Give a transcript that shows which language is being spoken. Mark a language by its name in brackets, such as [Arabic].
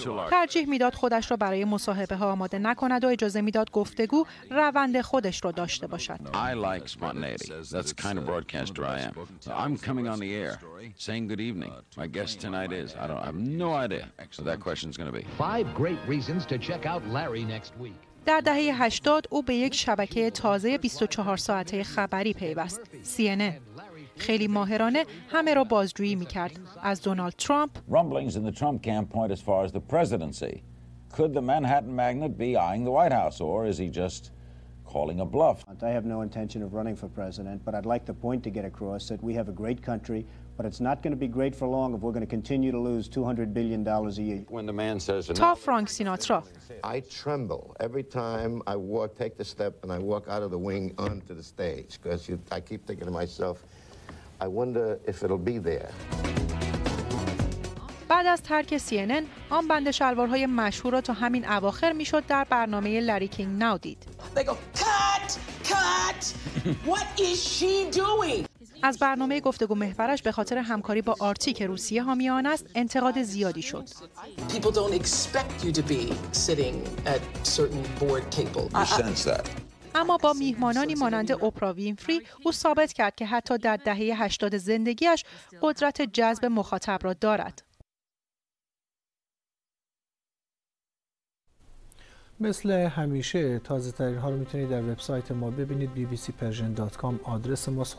[Persian] ترجیح میداد خودش را برای مصاحبه ها آماده نکند و اجازه میداد گفتگو روند خودش را داشته باشد. [English] I like spontaneity. That's kind of broadcaster I am. I'm coming on the air saying good evening. My guest tonight is I have no idea what that question's going to be. Five great reasons to check out Larry next week. [Persian] در دهه 80 او به یک شبکه تازه 24 ساعته خبری پیوست، CNN. خیلی ماهرانه همه را بازجویی می‌کرد، از دونالد ترامپ. [English] Rumblings in the Trump camp point as far as the presidency. Could the Manhattan magnate be eyeing the White House or is he just calling a bluff? I have no intention of running for president, but I'd like the point to get across that we have a great country. But it's not going to be great for long if we're going to continue to lose $200 billion a year. When the man says, "Tough, Frank Sinatra." I tremble every time I walk, take the step, and I walk out of the wing onto the stage because I keep thinking to myself, "I wonder if it'll be there." [Persian] بعد از ترک CNN، آن بند شلوارهای مشهور را تا همین اواخر میشد در برنامه لری کینگ ناو دید. [English] They go, cut, cut. What is she doing? [Persian] از برنامه گفتگو محورش به خاطر همکاری با آرتی که روسیه حامی آن است انتقاد زیادی شد. [English] People don't expect you to be sitting at certain board table. You sense that. [Persian] اما با میهمانانی مانند اوپرا وینفری او ثابت کرد که حتی در دهه 80 زندگیش قدرت جذب مخاطب را دارد. مثل همیشه تازه ترین ها رو میتونید در وبسایت ما ببینید، bbcpersian.com آدرس ماست.